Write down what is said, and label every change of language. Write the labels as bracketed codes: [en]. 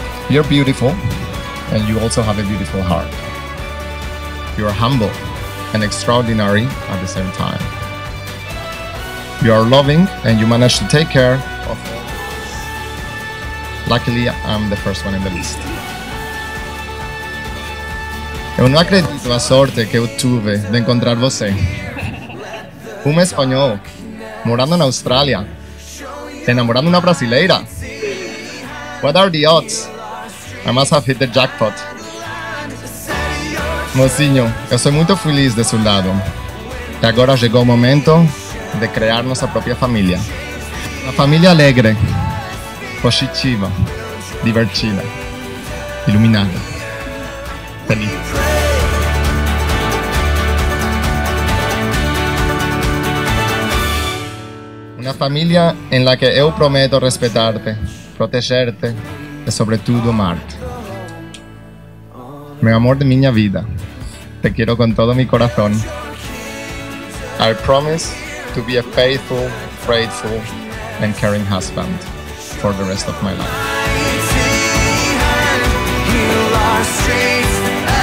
[en] You're beautiful, and you also have a beautiful heart. You're humble and extraordinary at the same time. You are loving, and you manage to take care of all. Luckily, I'm the first one in the list. [pt] Eu não acredito na sorte que eu tive de encontrar você. Um espanhol morando na Austrália, se namorando uma brasileira. [en] What are the odds? I must have hit the jackpot. [pt] Mocinho, eu sou muito feliz de seu lado. E agora chegou o momento de criar nossa própria família. Uma família alegre, positiva, divertida, iluminada, feliz. Uma família em la que eu prometo respeitar-te, proteger-te e, sobretudo, amar-te. Meu amor de minha vida, te quero com todo meu coração. [en] I promise to be a faithful, grateful and caring husband for the rest of my life.